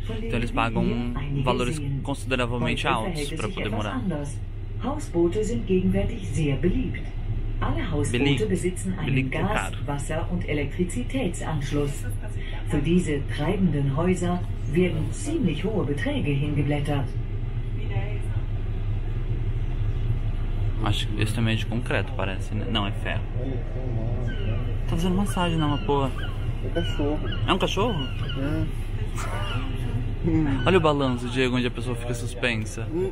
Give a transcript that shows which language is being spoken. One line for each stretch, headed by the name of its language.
Portuguese: Então eles pagam valores consideravelmente altos para poder morar.
German: Hausboote sind gegenwärtig sehr beliebt. Alle Hausboote besitzen einen Gas-, Wasser- und Elektrizitätsanschluss. Für diese treibenden Häuser werden ziemlich hohe Beträge hingeblättert.
Portuguese: Acho que esse também é de concreto, parece, né? Não, é ferro. Tá fazendo massagem na porra. É cachorro. É um cachorro? É. Olha o balanço, Diego, onde a pessoa fica suspensa.